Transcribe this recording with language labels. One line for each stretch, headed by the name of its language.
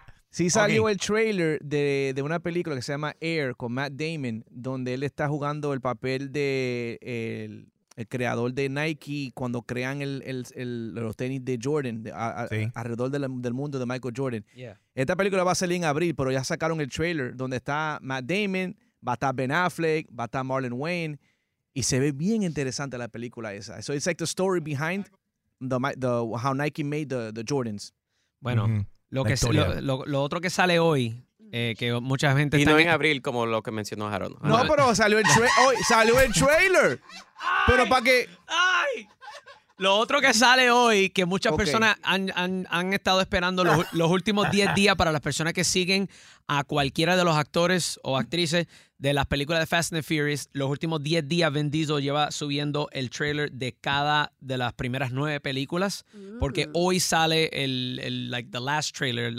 Spanish: Sí salió el trailer de una película que se llama Air con Matt Damon, donde él está jugando el papel de el creador de Nike cuando crean los tenis de Jordan alrededor del mundo de Michael Jordan.
English: Yeah.
Spanish: Esta película va a salir en abril, pero ya sacaron el trailer donde está Matt Damon, va a estar Ben Affleck, va a estar Marlon Wayne, y se ve bien interesante la película esa.
English: So it's like the story behind the how Nike made the Jordans.
Spanish: Bueno. Mm-hmm. Lo otro que sale hoy, que mucha gente... Y no en abril, como lo que mencionó Harold. No, pero salió el trailer. Pero para que... ¡Ay! Lo otro que sale hoy, que muchas personas han estado esperando los últimos 10 días para las personas que siguen a cualquiera de los actores o actrices de las películas de Fast and the Furious, los últimos 10 días Vin Diesel lleva subiendo el trailer de cada de las primeras 9 películas, porque hoy sale el
English: the last trailer.